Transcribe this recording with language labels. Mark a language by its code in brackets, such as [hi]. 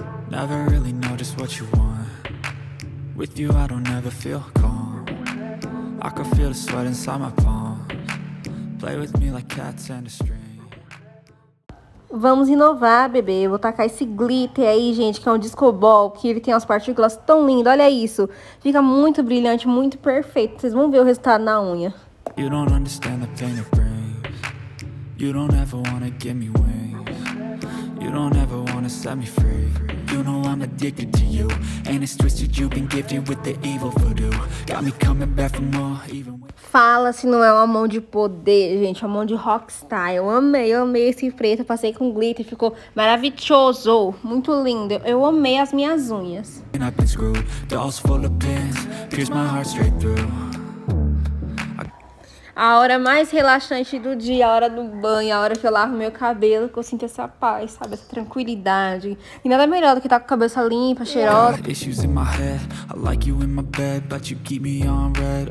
[en] Never really know just what you want. With you I don't ever feel calm. I could feel the sweat inside my palms. Play with me like cats and a string. [pt] Vamos inovar, bebê. Eu vou tacar esse glitter aí, gente, que é um discobol, que ele tem as partículas tão lindas. Olha isso. Fica muito brilhante, muito perfeito. Vocês vão ver o resultado na unha. [en] You don't understand the pain it brings. You don't ever wanna give me wings. You don't ever wanna set me free. You know I'm addicted to you. And it's twisted, you've been gifted with the evil voodoo. Got me coming back for more, even when... [pt] Fala se não é uma mão de poder, gente. Uma mão de rockstar. Eu amei esse preto. Eu passei com glitter, ficou maravilhoso. Muito lindo. Eu amei as minhas unhas. [en] And I've been screwed. Dolls full of pins. Pierce my heart straight through. [pt] A hora mais relaxante do dia, a hora do banho, a hora que eu lavo meu cabelo, que eu sinto essa paz, sabe? Essa tranquilidade. E nada melhor do que estar com a cabeça limpa, cheirosa. [en] Yeah. Issues in my head, I like you in my bed, but you keep me on red.